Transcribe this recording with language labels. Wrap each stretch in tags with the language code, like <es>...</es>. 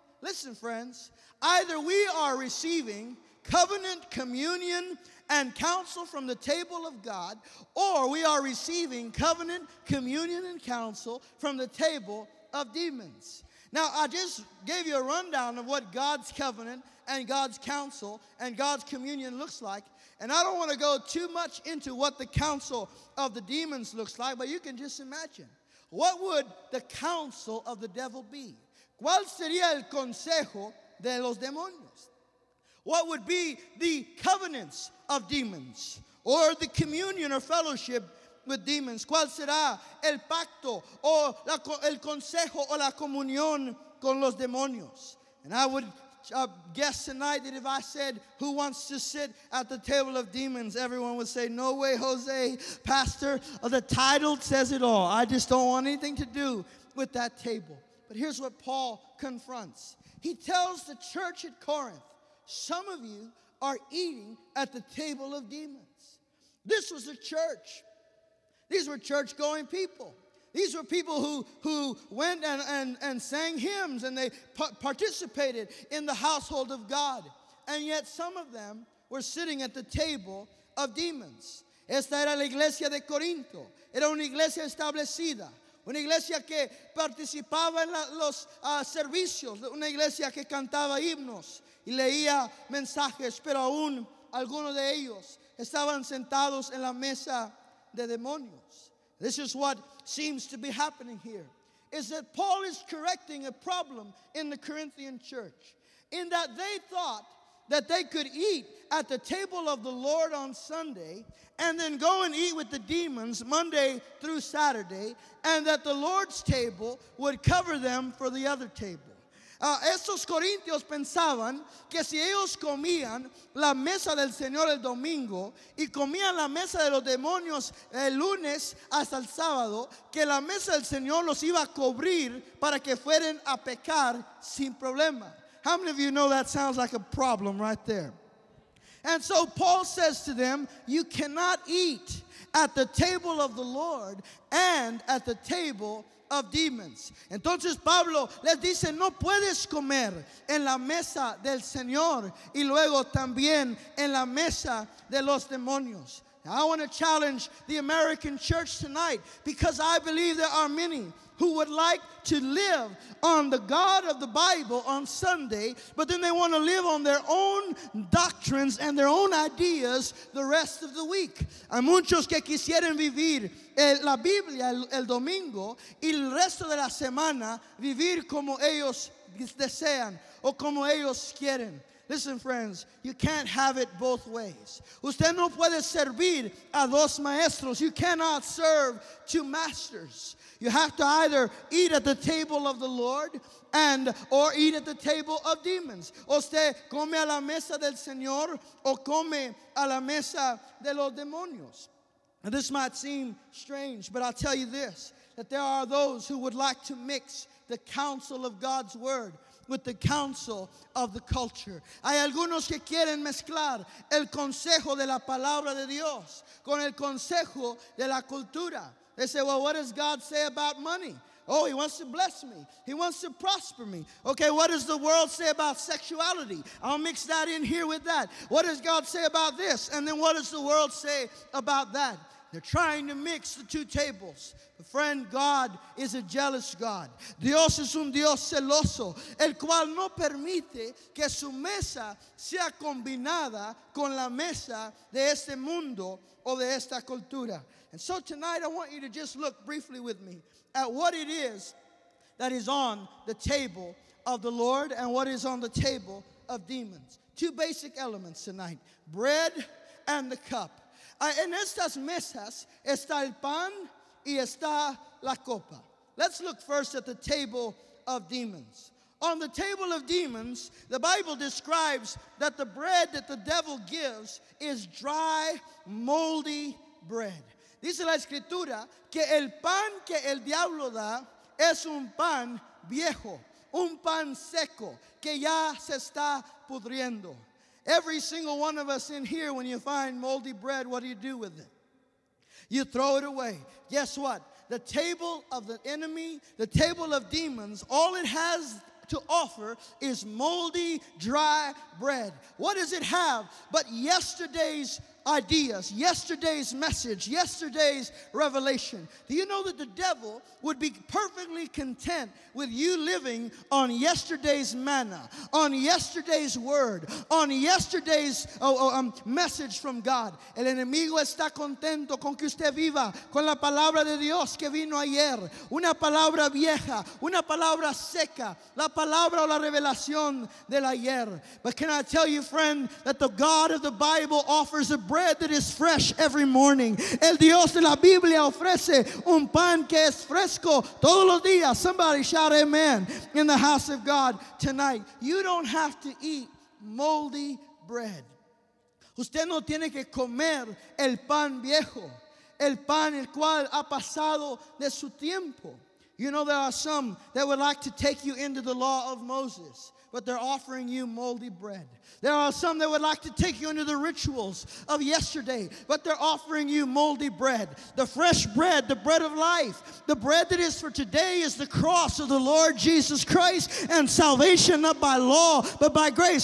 <en>Listen, friends, either we are receiving covenant communion and counsel from the table of God, or we are receiving covenant communion and counsel from the table of demons. Now, I just gave you a rundown of what God's covenant and God's counsel and God's communion looks like, and I don't want to go too much into what the counsel of the demons looks like, but you can just imagine. What would the counsel of the devil be?</en> <es>¿Cuál sería el consejo de los demonios?</es> <en>What would be the covenants of demons, or the communion or fellowship with demons?</en> <es>¿Cuál será el pacto o el consejo o la comunión con los demonios?</es> <en>And I would guess tonight that if I said, who wants to sit at the table of demons, everyone would say, no way, Jose, pastor, the title says it all. I just don't want anything to do with that table. But here's what Paul confronts. He tells the church at Corinth, some of you are eating at the table of demons. This was a church. These were church-going people. These were people who went and sang hymns, and they participated in the household of God. And yet some of them were sitting at the table of demons.</en> <es>Esta era la iglesia de Corinto. Era una iglesia establecida. Una iglesia que participaba en los servicios. Una iglesia que cantaba himnos. Y leía mensajes, pero aún algunos de ellos estaban sentados en la mesa de demonios.</es> <en>This is what seems to be happening here, is that Paul is correcting a problem in the Corinthian church, in that they thought that they could eat at the table of the Lord on Sunday and then go and eat with the demons Monday through Saturday, and that the Lord's table would cover them for the other table.</en> <es>Esos corintios pensaban que si ellos comían la mesa del Señor el domingo y comían la mesa de los demonios el lunes hasta el sábado, que la mesa del Señor los iba a cubrir para que fueran a pecar sin problema.</es> <en>How many of you know that sounds like a problem right there? And so Paul says to them, you cannot eat at the table of the Lord and at the table of demons.</en> <es>Entonces Pablo les dice, no puedes comer en la mesa del Señor y luego también en la mesa de los demonios.</es> <en>Now, I want to challenge the American church tonight, because I believe there are many who would like to live on the God of the Bible on Sunday, but then they want to live on their own doctrines and their own ideas the rest of the week.</en> <es>Hay muchos que quisieran vivir la Biblia el domingo y el resto de la semana vivir como ellos desean o como ellos quieren.</es> <en>Listen, friends, you can't have it both ways.</en> <es>Usted no puede servir a dos maestros.</es> <en>You cannot serve two masters. You have to either eat at the table of the Lord and or eat at the table of demons.</en> <es>Usted come a la mesa del Señor o come a la mesa de los demonios.</es> <en>Now, this might seem strange, but I'll tell you this, that there are those who would like to mix the counsel of God's word with the counsel of the culture.</en> <es>Hay algunos que quieren mezclar el consejo de la palabra de Dios con el consejo de la cultura.</es> <en>They say, well, what does God say about money? Oh, he wants to bless me. He wants to prosper me. Okay, what does the world say about sexuality? I'll mix that in here with that. What does God say about this? And then what does the world say about that? They're trying to mix the two tables. But friend, God is a jealous God.</en> <es>Dios es un Dios celoso, el cual no permite que su mesa sea combinada con la mesa de este mundo o de esta cultura.</es> <en>And so tonight I want you to just look briefly with me at what it is that is on the table of the Lord and what is on the table of demons. Two basic elements tonight, bread and the cup.</en> <es>En estas mesas está el pan y está la copa.</es> <en>Let's look first at the table of demons. On the table of demons, the Bible describes that the bread that the devil gives is dry, moldy bread.</en> <es>Dice la escritura que el pan que el diablo da es un pan viejo, un pan seco que ya se está pudriendo.</es> <en>Every single one of us in here, when you find moldy bread, what do you do with it? You throw it away. Guess what? The table of the enemy, the table of demons, all it has to offer is moldy, dry bread. What does it have but yesterday's ideas, yesterday's message, yesterday's revelation? Do you know that the devil would be perfectly content with you living on yesterday's manna, on yesterday's word, on yesterday's message from God?</en> <es>El enemigo está contento con que usted viva con la palabra de Dios que vino ayer, una palabra vieja, una palabra seca, la palabra o la revelación del ayer.</es> <en>But can I tell you, friend, that the God of the Bible offers a bread that is fresh every morning.</en> <es>El Dios de la Biblia ofrece un pan que es fresco todos los días.</es> <en>Somebody shout amen in the house of God tonight. You don't have to eat moldy bread.</en> <es>Usted no tiene que comer el pan viejo, el pan el cual ha pasado de su tiempo.</es> <en>You know, there are some that would like to take you into the law of Moses, but they're offering you moldy bread. There are some that would like to take you into the rituals of yesterday, but they're offering you moldy bread. The fresh bread, the bread of life, the bread that is for today is the cross of the Lord Jesus Christ and salvation not by law, but by grace.</en>